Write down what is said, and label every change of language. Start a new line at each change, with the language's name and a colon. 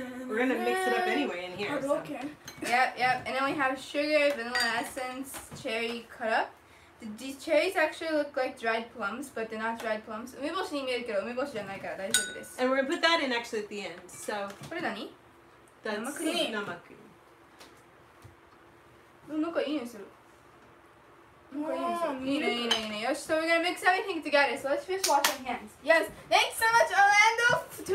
English: We're gonna mix it up anyway in here. Okay. Yep, yep. And then we have sugar, vanilla essence, cherry cut up. These cherries actually look like dried plums, but they're not dried plums.
Japanese: 梅干しに見えるけど、梅干しじゃないから大丈夫です。
English: And we're gonna put that in actually at the end. So,
Japanese: これ何？生クリーム。生クリーム。なんかいい匂いする。いいねいいねいいね。よし、
English: so we're gonna mix everything together. So let's finish washing hands. Yes, thanks so much, Orlando. $2.